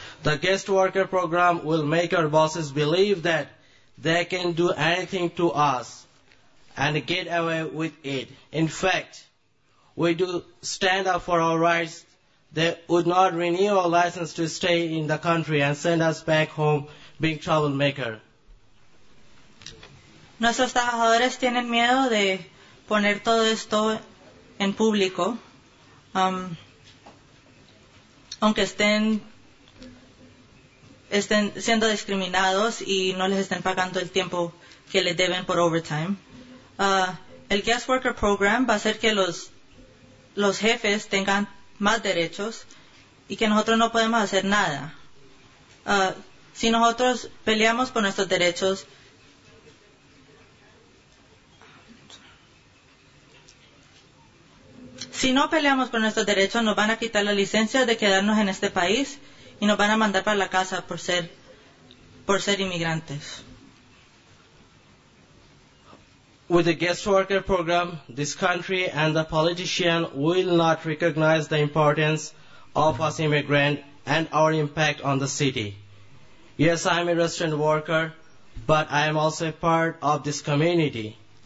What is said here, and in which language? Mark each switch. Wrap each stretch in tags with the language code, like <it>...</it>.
<en>The guest worker program will make our bosses believe that they can do anything to us and get away with it. In fact, we do stand up for our rights. They would not renew our license to stay in the country and send us back home being troublemaker.</en> <es>Nuestros trabajadores tienen miedo de poner todo esto en público, aunque estén siendo discriminados y no les estén pagando el tiempo que les deben por overtime. El guest worker program va a hacer que los jefes tengan más derechos y que nosotros no podemos hacer nada. Si nosotros peleamos por nuestros derechos, si no peleamos por nuestros derechos, nos van a quitar la licencia de quedarnos en este país y nos van a mandar para la casa por ser inmigrantes.</es> <en>With the guest worker program, this country and the politician will not recognize the importance of us immigrants and our impact on the city. Yes, I am a restaurant worker, but I am also a part of this community.</en>